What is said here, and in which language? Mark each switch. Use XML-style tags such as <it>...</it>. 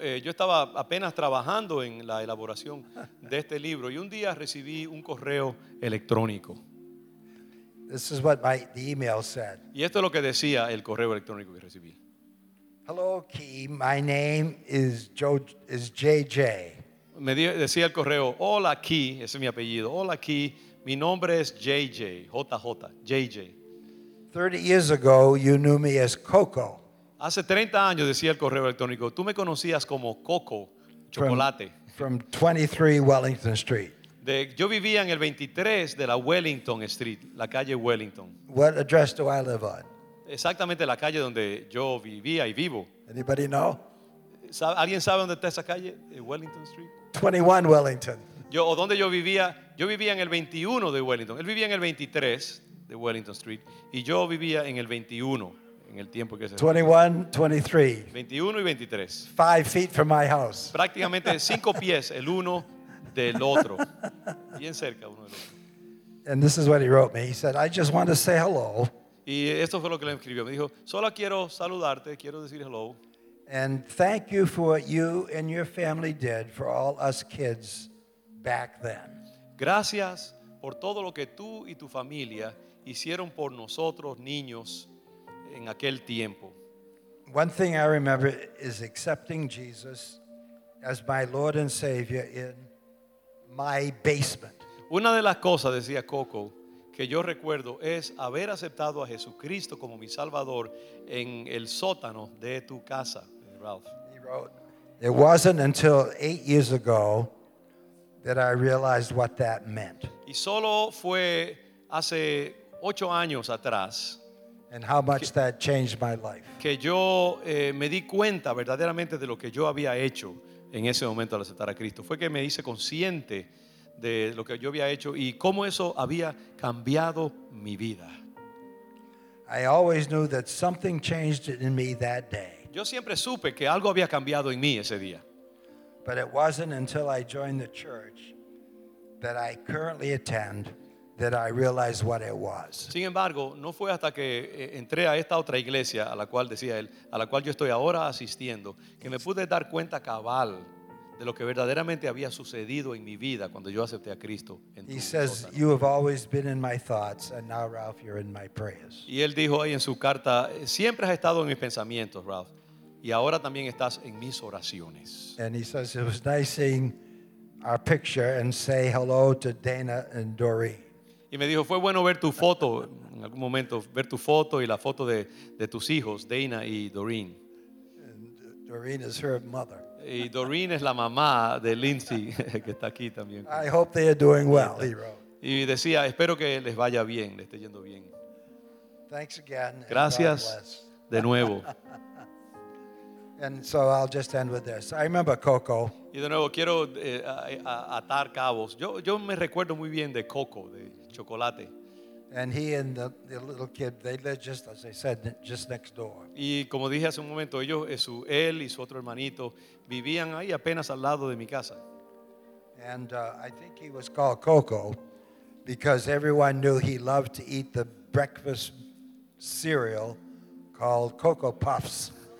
<es>Yo estaba apenas trabajando en la elaboración de este libro, y un día recibí un correo electrónico.</es> <en>This is what the email said.</en> <es>Y esto es lo que decía el correo electrónico que recibí.</es> <en>Hello, Key. My name is JJ.</en> <es>Me decía el correo, hola, Key. Ese es mi apellido. Hola, Key. Mi nombre es JJ. JJ. JJ.</es> <en>30 years ago, you knew me as Coco.</en> <es>Hace 30 años, decía el correo electrónico, tú me conocías como Coco, chocolate.</es> <en>From 23 Wellington Street.</en> <es>Yo vivía en el 23 de la Wellington Street, la calle Wellington.</es> <en>What address do I live on?</en> <es>Exactamente la calle donde yo vivía y vivo.</es> <en>Anybody know?</en> <es>¿Alguien sabe dónde está esa calle, Wellington Street?</es> <en>21 Wellington.</en> <es>Yo vivía en el 21 de Wellington. Él vivía en el 23 de Wellington Street y yo vivía en el 21 en el tiempo que se</es> <en>21, 23.</en> <es>21 y 23.</es> <en>5 feet from my house.</en> <es>Prácticamente 5 pies el uno del otro. Bien cerca uno del otro.</es> <en>And this is what he wrote me. He said, I just want to say hello.</en> <es>Y esto fue lo que le escribió. Me dijo, solo quiero saludarte, quiero decir hello.</es> <en>And thank you for what you and your family did for all us kids back then.</en> <es>Gracias por todo lo que tú y tu familia hicieron por nosotros niños en aquel tiempo.</es> <en>One thing I remember is accepting Jesus as my Lord and Savior in my basement.</en> <es>Una de las cosas, decía Coco, que yo recuerdo es haber aceptado a Jesucristo como mi Salvador en el sótano de tu casa, Ralph.</es> <en>He wrote, "It wasn't until 8 years ago that I realized what that meant."</en> <es>Y solo fue hace 8 años atrás.</es> <en>And how much that changed my life.</en> <es>Que yo me di cuenta verdaderamente de lo que yo había hecho en ese momento al aceptar a Cristo. Fue que me hice consciente de lo que yo había hecho y cómo eso había cambiado mi vida.</es> <en>I always knew that something changed in me that day.</en> <es>Yo siempre supe que algo había cambiado en mí ese día.</es> <en>But it wasn't until I joined the church that I currently attend that I realized what it was.</en> <es>Sin embargo, no fue hasta que entré a esta otra iglesia a la cual decía él, a la cual yo estoy ahora asistiendo, que me pude dar cuenta cabal de lo que verdaderamente había sucedido en mi vida cuando yo acepté a Cristo.</es> <en>He says, "You have always been in my thoughts, and now, Ralph, you're in my prayers."</en> <es>Y él dijo ahí en su carta, "Siempre has estado en mis pensamientos, Ralph, y ahora también estás en mis oraciones."</es> <en>And he says, "It was nice seeing our picture and say hello to Dana and Doreen."</en> <es>Y me dijo, fue bueno ver tu foto, en algún momento, ver tu foto y la foto de tus hijos, Dana y Doreen.</es> <en>Doreen is her mother.</en> <es>Y Doreen es la mamá de Lindsay, que está aquí también.</es> <en>I hope they are doing well, he wrote.</en> <es>Y decía, espero que les vaya bien, les esté yendo bien.</es> <en>Thanks again.</en> <es>Gracias de nuevo.</es> <en>And so I'll just end with this. I remember Coco.</en> <es>Y de nuevo, quiero atar cabos. Yo me recuerdo muy bien de Coco, de chocolate.</es> <en>And he and the little kid, they lived just, as I said, just next door.</en> <es>Y como dije hace un momento, él y su otro hermanito vivían ahí apenas al lado de mi casa.</es> <en>And I think he was called Coco because everyone knew he loved to eat the breakfast cereal called Coco Puffs.</en>